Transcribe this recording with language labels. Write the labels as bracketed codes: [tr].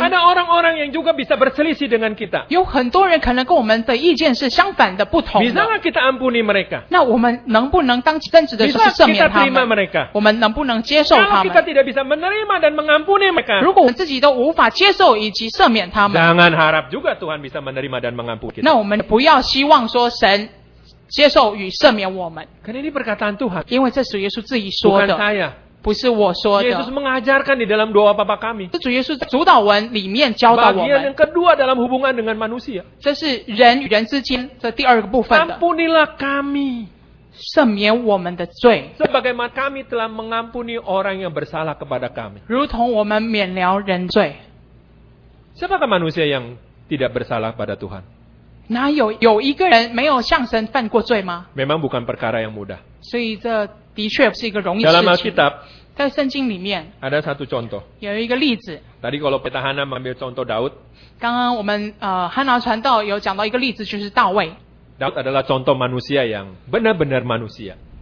[id] Ada orang-orang yang juga bisa berselisih dengan kita. [zh] 有很多人可能跟我们的意见是相反的，不同的。 [id] Bisa nggak kita ampuni mereka? [zh] 那我们能不能当争执的时候赦免他们？ [id] Bisa kita terima mereka? [zh] 我们能不能接受他们？ [id] Kalau kita tidak bisa menerima dan mengampuni mereka. [zh] 如果我们自己都无法接受以及赦免他们。 [id] Jangan harap juga Tuhan bisa menerima dan mengampuni kita. [zh] 那我们不要希望说神接受与赦免我们。 [id] Karena ini perkataan Tuhan. [zh] 因为这是耶稣自己说的。 [id] Bukan saya. [zh] 不是我说的。 [id] Yesus mengajarkan di dalam doa Bapa kami。 [zh] 这主耶稣在主导文里面教导我们。 [id] Bagian yang kedua dalam hubungan dengan manusia。 [zh] 这是人与人之间这第二个部分的。 [id] Ampunilah kami。 [zh] 赦免我们的罪。 [id] Sebagaimana kami telah mengampuni orang yang bersalah kepada kami。 [zh] 如同我们免了人罪。 [id] Siapakah manusia yang tidak bersalah pada Tuhan？ [zh] 哪有有一个人没有向神犯过罪吗？ [id] Memang bukan perkara yang mudah。 [zh] 所以这的确不是一个容易的事情。 [id] Dalam Alkitab, [zh] 在圣经里面 [id] ada satu contoh, [zh] 有一个例子。 [id] Tadi kalau Petahana mengambil contoh Daud, [zh] 刚刚我们Hana传道有讲到一个例子，就是大卫。 [id] Daud adalah contoh manusia yang benar-benar manusia.